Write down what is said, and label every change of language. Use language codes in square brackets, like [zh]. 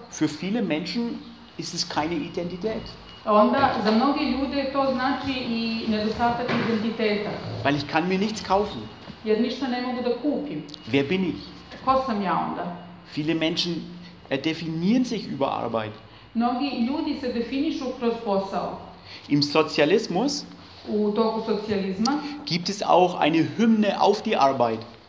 [de] Für viele Menschen ist es keine Identität. [sr] Onda za mnoge ljude to znači i nedostatak identiteta. [de] Weil ich kann mir nichts kaufen. [sr] Jer ništa ne mogu da kupim. [de] Wer bin ich? [sr] Ko sam ja onda? [de] Viele Menschen definieren sich über Arbeit. [sr] Mnogi ljudi se definišu kroz posao. [de] Im Sozialismus [sr] u toku socijalizma [de] gibt es auch eine Hymne auf die Arbeit.